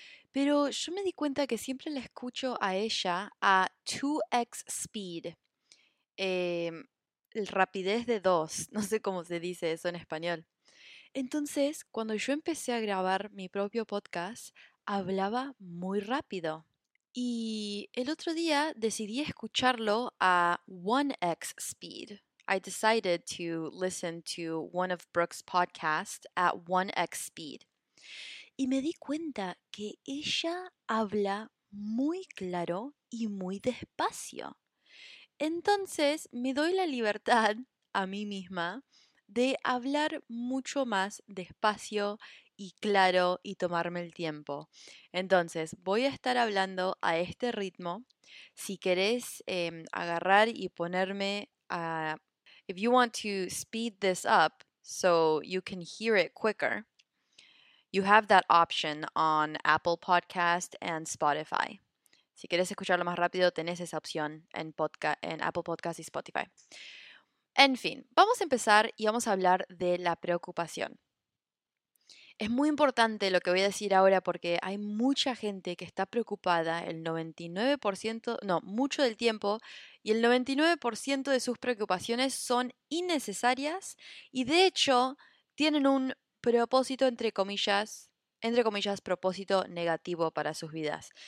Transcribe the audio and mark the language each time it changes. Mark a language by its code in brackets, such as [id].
[es] Pero yo me di cuenta que siempre la escucho a ella a 2x speed, el rapidez de 2, no sé cómo se dice eso en español. Entonces, cuando yo empecé a grabar mi propio podcast, hablaba muy rápido. Y el otro día decidí escucharlo a 1x speed. [en] I decided to listen to one of Brooke's podcasts at 1x speed. [es] Y me di cuenta que ella habla muy claro y muy despacio. Entonces, me doy la libertad a mí misma de hablar mucho más despacio y claro y tomarme el tiempo. Entonces, voy a estar hablando a este ritmo. Si querés agarrar y ponerme a... [en] If you want to speed this up so you can hear it quicker, you have that option on Apple Podcast and Spotify. [es] Si quieres escucharlo más rápido, tenés esa opción en Apple Podcast y Spotify. En fin, vamos a empezar y vamos a hablar de la preocupación. Es muy importante lo que voy a decir ahora porque hay mucha gente que está preocupada el 99%, no, mucho del tiempo, y el 99% de sus preocupaciones son innecesarias y de hecho tienen un propósito, entre comillas, propósito negativo para sus vidas.